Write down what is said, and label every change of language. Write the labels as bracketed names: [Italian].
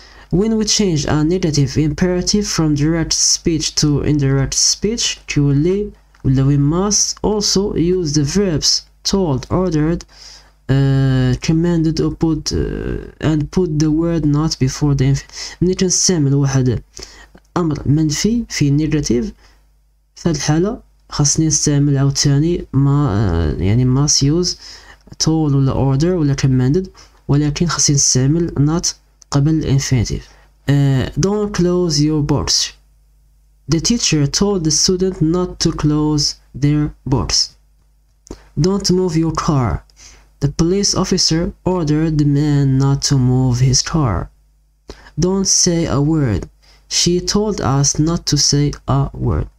[English] When we change a negative imperative from direct speech to indirect speech [Arabic] تولي [English] we must also use the verbs told, ordered, commanded, or put, and put the word not before the infinitive. [Arabic] ملي كنستعمل واحد امر منفي في نيجاتيف في هذه الحاله خاصني نستعمل عاوتاني ما يعني [English] must use told [Arabic] ولا order ولا commanded ولكن خاصني نستعمل not قبل الانفينيتيف. [English] Don't close your books. The teacher told the student not to close their books. Don't move your car. The police officer ordered the man not to move his car. Don't say a word. She told us not to say a word.